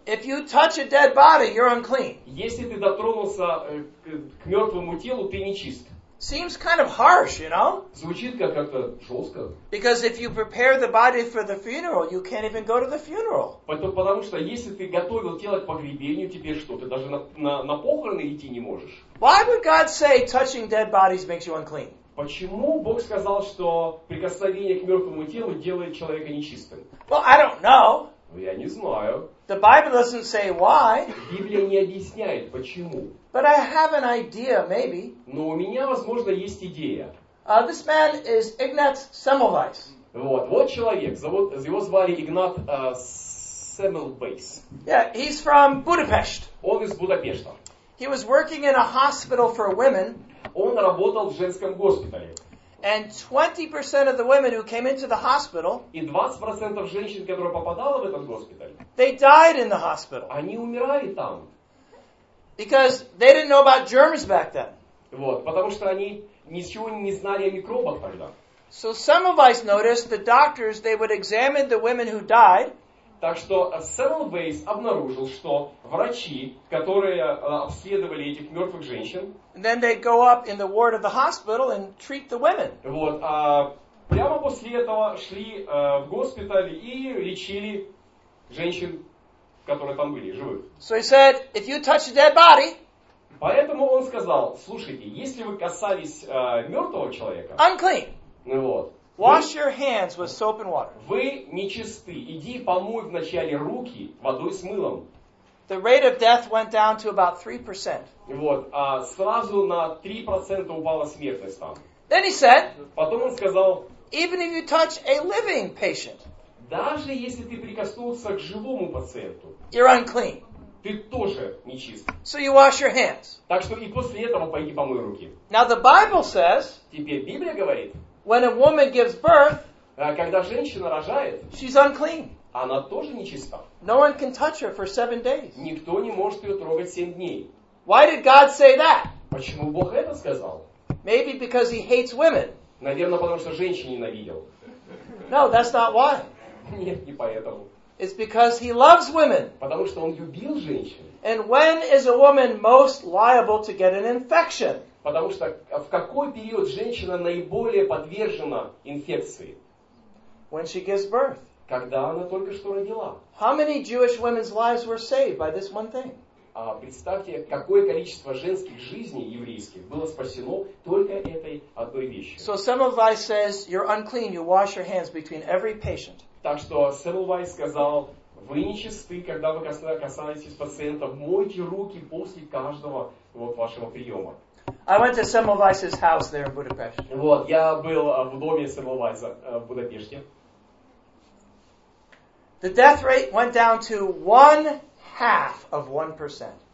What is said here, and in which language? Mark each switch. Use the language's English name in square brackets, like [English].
[English] if you touch a dead body, you're unclean. [Russian] Если ты дотронулся к мертвому телу, ты нечист. [English] Seems kind of harsh, you know? [Russian] Звучит как-то жестко. [English] Because if you prepare the body for the funeral, you can't even go to the funeral. [Russian] Потому что если ты готовил тело к погребению, тебе что, ты даже на похороны идти не можешь? [English] Why would God say touching dead bodies makes you unclean? [Russian] Почему Бог сказал, что прикосновение к мертвому телу делает человека нечистым? [English] Well, I don't know. [Russian] Я не знаю. [English] The Bible doesn't say why. [Russian] Библия не объясняет, почему. [English] But I have an idea, maybe. [Russian] Но у меня, возможно, есть идея. [English] This man is Ignaz Semmelweis. [Russian] Вот человек, его звали Игнат Semmelweis. [English] Yeah, he's from Budapest. [Russian] Он из Будапешта. [English] He was working in a hospital for women. [Russian] Он работал в женском госпитале. [English] And 20% of the women who came into the hospital, [Russian] и 20% женщин, которые попадали в этот госпиталь, [English] they died in the hospital. [Russian] Они умирали там. [English] Because they didn't know about germs back then. [Russian] Вот, потому что они ничего не знали о микробах тогда. [English] So Semmelweis noticed the doctors, they would examine the women who died. [Russian] Так что Semmelweis обнаружил, что врачи, которые обследовали этих мертвых женщин, [English] then they'd go up in the ward of the hospital and treat the women. [Russian] Вот, прямо после этого шли в госпиталь и лечили женщин, которые там были, живых. [English] So he said, if you touch a dead body, [Russian] поэтому он сказал, слушайте, если вы касались мертвого человека, [English] unclean. [Russian] Ну вот. [English] Wash your hands with soap and water. [Russian] Вы нечисты. Иди помой вначале руки водой с мылом. [English] The rate of death went down to about 3%. [Russian] Вот, а сразу на 3% упала смертность там. [English] Then he said, [Russian] потом он сказал, [English] even if you touch a living patient, [Russian] даже если ты прикоснулся к живому пациенту, [English] you're unclean. [Russian] Ты тоже нечист. [English] So you wash your hands. [Russian] Так что и после этого пойди помой руки. [English] Now the Bible says, [Russian] теперь Библия говорит, [English] when a woman gives birth, [Russian] когда женщина рожает, [English] she's unclean. [Russian] Она тоже нечиста. [English] No one can touch her for 7 days. [Russian] Никто не может ее трогать 7 дней. [English] Why did God say that? [Russian] Почему Бог это сказал? [English] Maybe because he hates women. [Russian] Наверное, потому что женщин ненавидел. [English] No, that's not why. [Russian] Нет, не поэтому. [English] It's because he loves women. [Russian] Потому что он любил женщин. [English] And when is a woman most liable to get an infection? [Russian] Потому что в какой период женщина наиболее подвержена инфекции? [English] When she gives birth. [Russian] Когда она только что родила. [English] How many Jewish women's lives were saved by this one thing? [Russian] Представьте, какое количество женских жизней еврейских было спасено только этой одной вещью. [English] So Semmelweis says, you're unclean, you wash your hands between every patient. [Russian] Так что Semmelweis сказал, вы нечисты, когда вы касаетесь пациентов, мойте руки после каждого вот, вашего приема. [English] I went to Semmelweis's house there in Budapest. [Russian] Вот, я был в доме Semmelweis'а в Будапеште. [English] The death rate went down to 0.5%.